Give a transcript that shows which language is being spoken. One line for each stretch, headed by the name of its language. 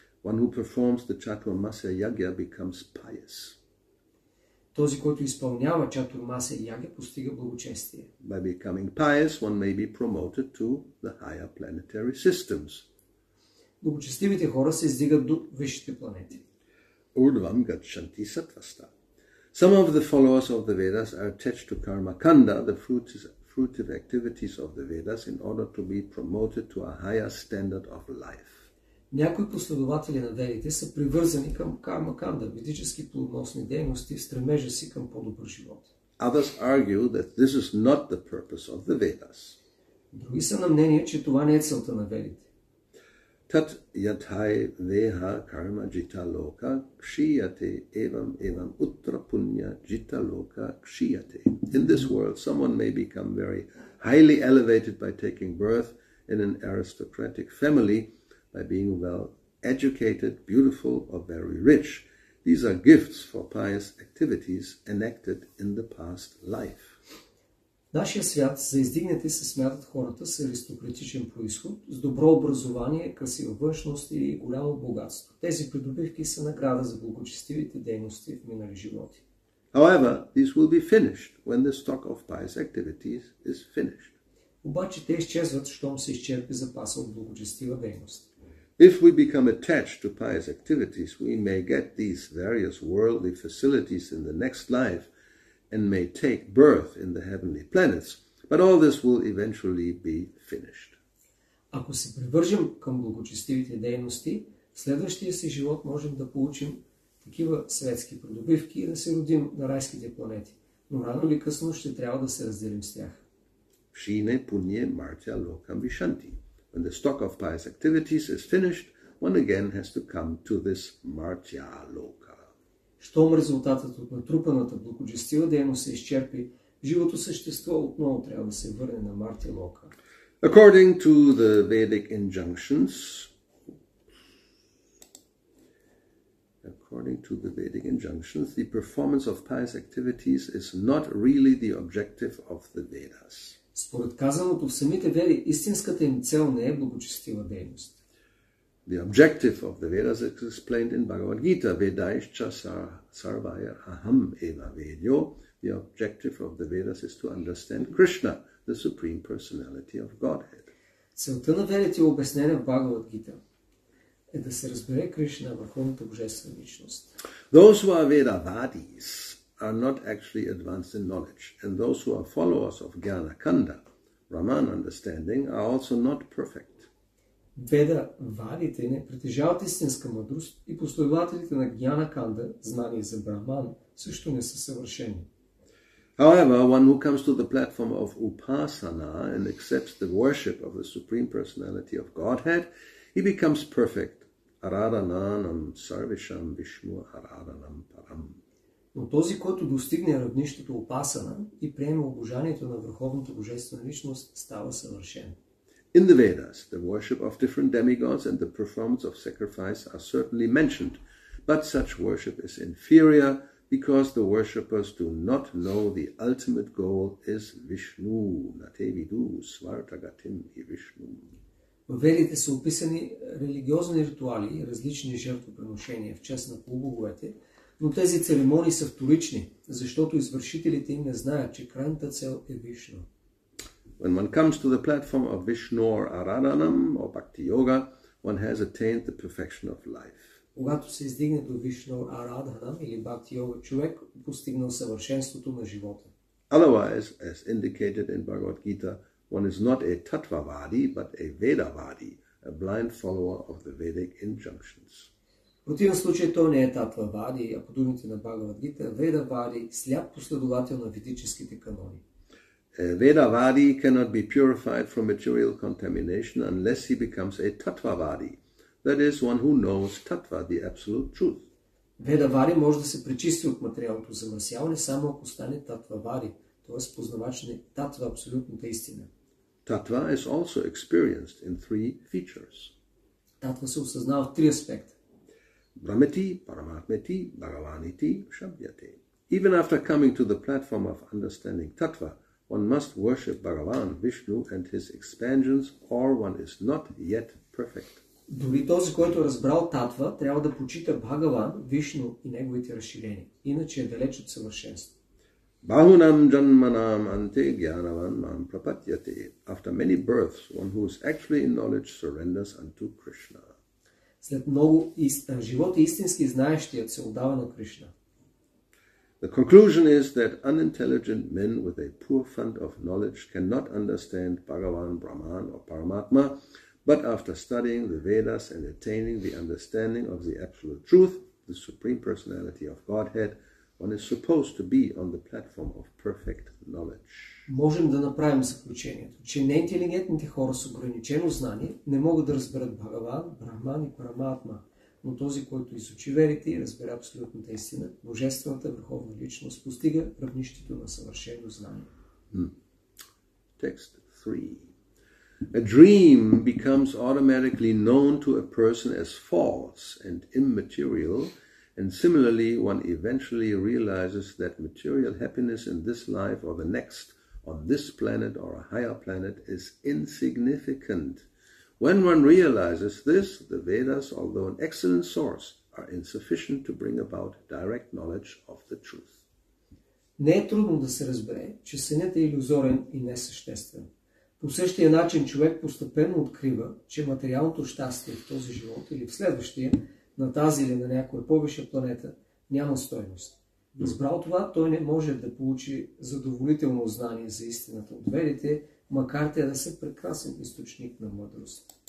English: One who performs the Чатурмасия ягья becomes pious.
Bulgarian: Този, който изпълнява Чатурмасия ягья, постига благочестие.
English: By becoming pious, one may be promoted to the higher planetary systems.
Bulgarian: Благочестивите хора се издигат до висшите планети.
Sanskrit: Урдвам гачанти сатваста.
English: Some of the followers of the Vedas are attached to karma kanda, the fruitive activities of the Vedas, in order to be promoted to a higher standard of life.
Bulgarian: Някои последователи на ведите са привързани към карма канда, ведически плодоносни дейности, стремежа си към по-добър живот.
English: Others argue that this is not the purpose of the Vedas.
Bulgarian: Други са на мнение, че това не е целта на ведите.
Sanskrit: Tat yathai veha karma jita loka kshiyate evam evam utra punya jita loka kshiyate.
English: In this world, someone may become very highly elevated by taking birth in an aristocratic family, by being well educated, beautiful, or very rich. These are gifts for pious activities enacted in the past life.
Bulgarian: Нашия свят за издигнати се смятат хората с аристократичен происход, с добро образование, красива външност и голямо богатство. Тези придобивки са награда за благочестивите дейности в минали животи.
English: However, this will be finished when the stock of pious activities is finished.
Bulgarian: Обаче те изчезват, щом се изчерпи запаса от благочестива дейност.
English: If we become attached to pious activities, we may get these various worldly facilities in the next life, and may take birth in the heavenly planets, but all this will eventually be finished.
Bulgarian: Ако се привържем към благочестивите дейности, в следващия си живот можем да получим такива светски придобивки и да се родим на райските планети, но рано или късно ще трябва да се разделим с тях.
Sanskrit: Шине пуние мартя локам вишанти.
English: When the stock of pious activities is finished, one again has to come to this мартя лок.
Bulgarian: Щом резултатът от натрупаната благочестива дейност се изчерпи, живото същество отново трябва да се върне на Марти Лока.
English: According to the Vedic injunctions, the performance of pious activities is not really the objective of the Vedas.
Bulgarian: Според казаното в самите веди, истинската им цел не е благочестива дейност.
English: The objective of the Vedas is explained in Bhagavad Gita,
Sanskrit: Vedaischa Sarvaya Aham Eva Vedyo.
English: The objective of the Vedas is to understand Krishna, the Supreme Personality of Godhead.
Bulgarian: Целта на ведите е обяснена в Бхагавад Гита, е да се разбере Кришна, върховната божествена личност.
English: Those who are Vedavadis are not actually advanced in knowledge, and those who are followers of Jnana Kanda, Raman understanding, are also not perfect.
Bulgarian: Ведавадите не притежават истинска мъдрост и последователите на Гьяна Канда, знание за Брахман, също не са съвършени.
English: However, one who comes to the platform of upasana and accepts the worship of the Supreme Personality of Godhead, he becomes perfect.
Sanskrit: Araranam sarvesham Vishnu araranam param.
Bulgarian: Но този, който достигне равнището упасана и приеме обожанието на върховната божествена личност, става съвършен.
English: In the Vedas, the worship of different demigods and the performance of sacrifice are certainly mentioned, but such worship is inferior because the worshippers do not know the ultimate goal is Vishnu.
Sanskrit: Natevidu svartagatim hi Vishnu.
Bulgarian: В Ведите са описани религиозни ритуали и различни жертвоприношения в чест на полубоговете, но тези церемонии са вторични, защото извършителите им не знаят, че крайната цел е Вишну.
English: When one comes to the platform of Vishnur Araranam or Bhakti-yoga, one has attained the perfection of life.
Bulgarian: Когато се издигне до Vishnur Araranam или Bhakti-yoga, човек постигнал съвършенството на живота.
English: Otherwise, as indicated in Bhagavad Gita, one is not a tattvavadi, but a vedavadi, a blind follower of the Vedic injunctions.
Bulgarian: В противен случай той не е татвавади, а по думите на Бхагавад Гита, ведавади, сляп последовател на ведическите канони.
English: Ведавади cannot be purified from material contamination unless he becomes a tattvavadi, that is, one who knows tattva, the absolute truth.
Bulgarian: Ведавади може да се пречисти от материалното замърсяване само ако стане татвавади, т.е. познавач на татва, абсолютната истина. Татва is also experienced in three features. Татва се осъзнава в три аспекта.
Sanskrit: Брамети, параматмети, бхагаваните, шабдяте.
English: Even after coming to the platform of understanding Tattva, one must worship Bhagavan, Vishnu and his expansions, or one is not yet perfect.
Bulgarian: Дори този, който е разбрал Татва, трябва да почита Бхагаван, Вишну и неговите разширения. Иначе е далеч от съвършенство.
Sanskrit: Bahunam janmanam ante gyanavan mam prapatyate.
English: After many births, one who is actually in knowledge surrenders unto Krishna.
Bulgarian: След много живот истински знаещият се отдава на Кришна.
English: The conclusion is that unintelligent men with a poor fund of knowledge cannot understand Bhagavan, Brahman or Paramatma, but after studying the Vedas and attaining the understanding of the absolute truth, the Supreme Personality of Godhead, one is supposed to be on the platform of perfect knowledge.
Bulgarian: Можем да направим заключението, че неинтелигентните хора с ограничено знание не могат да разберат Бхагаван, Брахман и Параматма, но този, който изучи верите и разбере абсолютната истина, Божествената Върховна Личност, постига равнището на съвършено знание. Текст 3.
English: A dream becomes automatically known to a person as false and immaterial, and similarly, one eventually realizes that material happiness in this life or the next, on this planet or a higher planet, is insignificant. When one realizes this, the Vedas, although an excellent source, are insufficient to bring about direct knowledge of the truth.
Bulgarian: Не е трудно да се разбере, че сънят е илюзорен и несъществен. По същия начин човек постепенно открива, че материалното щастие в този живот или в следващия, на тази или на някоя повише планета, няма стойност. Избрал това, той не може да получи задоволително знание за истината от ведите, макар те да са прекрасен източник на мъдрост.